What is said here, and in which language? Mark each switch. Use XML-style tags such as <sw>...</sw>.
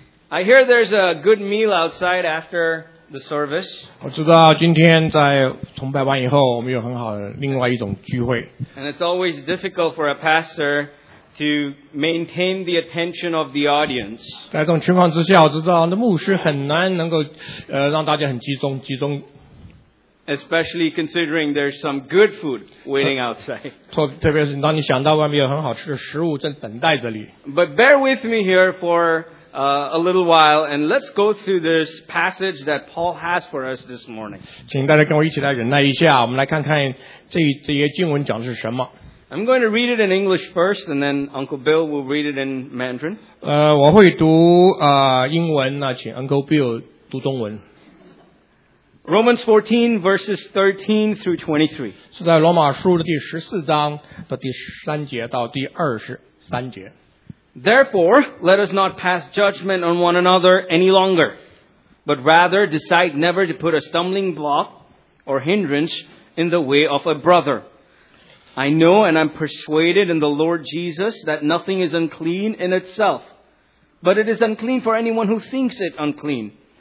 <en>I hear there's a good meal outside after the service.</en> <zh>我知道今天在崇拜完以后，我们有很好的另外一种聚会。</zh> <en>And it's always difficult for a pastor to maintain the attention of the audience.</en> <zh>在这种情况之下，我知道那牧师很难能够让大家很集中。</zh> <en>Especially considering there's some good food waiting outside.</en> <zh>特别是当你想到外面有很好吃的食物正等待着你。</zh> <en>But bear with me here for a little while, and let's go through this passage that Paul has for us this morning.</en> <zh>请大家跟我一起来忍耐一下，我们来看看这些经文讲的是什么。</zh> <en>I'm going to read it in English first, and then Uncle Bill will read it in Mandarin.</en> <zh>我会读英文呢，请 Uncle Bill 读中文。</zh> <en>Romans 14 verses 13 through 23.</en> <zh>是在罗马书的第十四章的第三节到第二十三节。</zh> <en>Therefore, let us not pass judgment on one another any longer, but rather decide never to put a stumbling block or hindrance in the way of a brother. I know and I'm persuaded in the Lord Jesus that nothing is unclean in itself, but it is unclean for anyone who thinks it unclean.</en>